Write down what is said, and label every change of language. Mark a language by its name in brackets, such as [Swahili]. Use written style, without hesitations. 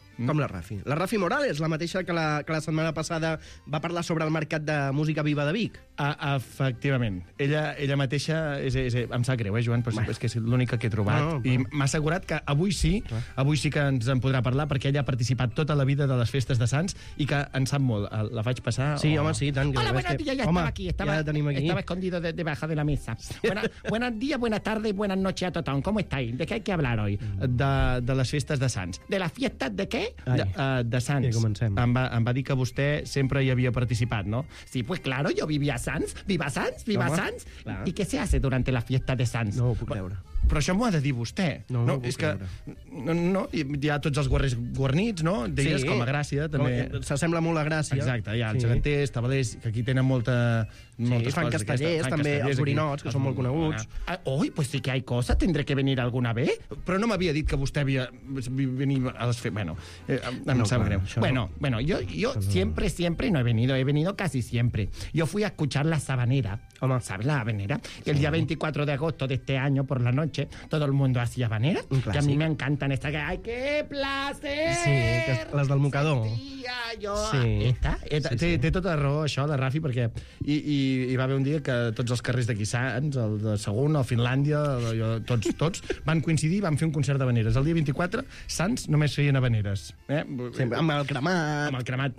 [Catalan] Com la Rafi? La Rafi Morales, la mateixa que la setmana passada va parlar sobre el mercat de música viva de Vic. Efectivament. Ella mateixa... Em sap greu, Joan, però és que és l'única que he trobat. No. I m'ha assegurat que avui sí que ens en podrà parlar, perquè ella ha participat tota la vida de les festes de Sants i que en sap molt. La faig passar? Sí, home, sí, tant. [Spanish] Hola, buenos días, ya [Catalan] home, [Spanish] estaba aquí. Estaba escondido debajo de la mesa. Buenos días, buenas tardes y buenas noches [Catalan] a tothom. [Spanish] ¿Cómo estáis? ¿De qué hay que hablar hoy? [Catalan] De les festes de Sants. [Spanish] ¿De la fiesta de qué? [Catalan] De Sants. Ja comencem. Em va dir que vostè sempre hi havia participat, no? [Spanish] Sí, pues claro, yo vivía Sants. ¡Viva Sants! ¡Viva [Catalan] Home, [Spanish] Sants! ¿Y qué se hace durante la fiesta de Sants? [Catalan] No ho puc creure. Però això m'ho ha de dir vostè. No, és que no, hi ha tots els guarrers guarnits, no? Deies com a Gràcia, també. S'assembla molt a Gràcia. Exacte, hi ha els geganters, tabalers, que aquí tenen moltes coses. Sí, fan castellers, també, els orinots, que són molt coneguts. Oi, pues sí que hi ha cosa, tindré que venir alguna bé. Però no m'havia dit que vostè havia venit a les fer... Bueno, em sap greu. [Spanish] Bueno, [Catalan] jo sempre [Spanish] no he venido casi siempre. Yo fui a escuchar La Sabanera. Home. ¿Sabes la habanera? Sí. El día 24 de agosto de este año, por la noche, todo el mundo hacía habanera. [Catalan] Un clàssic. [Spanish] Que a mí me encantan estas. ¡Ay, qué placer! Sí, las del mocador. Sentía yo esta. [Catalan] Té tota la raó, això, de Rafi, perquè hi va haver un dia que tots els carrers d'aquí Sants, el de Segona, el Finlàndia, tots van coincidir i van fer un concert de habaneres. El dia 24, Sants només feien habaneres. Sempre, amb el cremat.